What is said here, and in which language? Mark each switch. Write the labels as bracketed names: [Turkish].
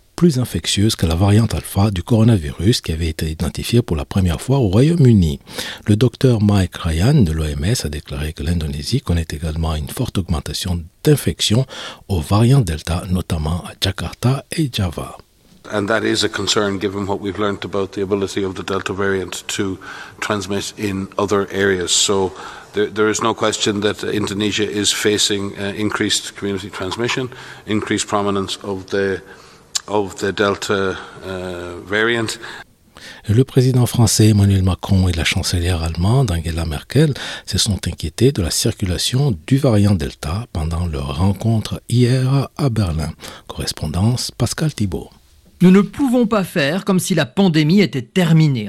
[French] plus infectieuse que la variante alpha du coronavirus qui avait été identifiée pour la première fois au Royaume-Uni. Le docteur Mike Ryan de l'OMS a déclaré que l'Indonésie connaît également une forte augmentation d'infections aux variants Delta, notamment à Jakarta et Java. [English] And that is a concern given what we've learned about the ability of the Delta variant to transmit in other areas. So there is no question that Indonesia is facing increased community transmission, increased prominence of the Delta variant. [French] Le président français Emmanuel Macron et la chancelière allemande Angela Merkel se sont inquiétés de la circulation du variant Delta pendant leur rencontre hier à Berlin. Correspondance Pascal Thibault. Nous ne pouvons pas faire comme si la pandémie était terminée.